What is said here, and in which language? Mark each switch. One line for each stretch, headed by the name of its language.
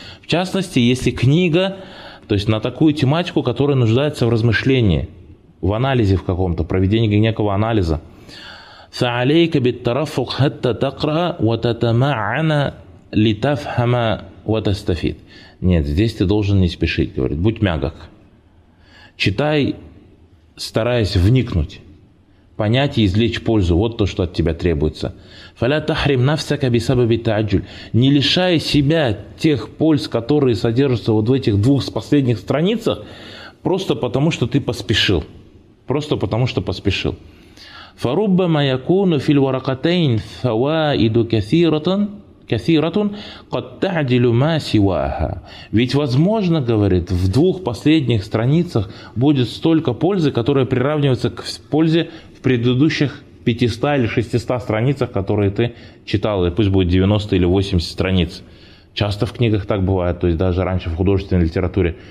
Russian: В частности, если книга, то есть на такую тематику, которая нуждается в размышлении, в анализе в каком-то, проведении некого анализа,
Arabic: فعليك بالترفق حتى تقرأ وتتمعن لتفهم وتستفيد.
Russian: Нет, здесь ты должен не спешить, говорит. Будь мягок. Читай, стараясь вникнуть, понять и извлечь пользу. Вот то, что от тебя требуется.
Arabic: فلا تحرم نفسك بسبب التعجل.
Russian: Не лишай себя тех пользы, которые содержатся вот в этих двух последних страницах, просто потому, что ты поспешил. Просто потому, что поспешил.
Arabic: فربما يكون في الورقتين فوائد كثيرة قد تعدل ما سواها.
Russian: Ведь возможно, говорит, в двух последних страницах будет столько пользы, которая приравнивается к пользе в предыдущих 500 или 600 страницах, которые ты читал, и пусть будет 90 или 80 страниц. Часто в книгах так бывает, то есть даже раньше в художественной литературе.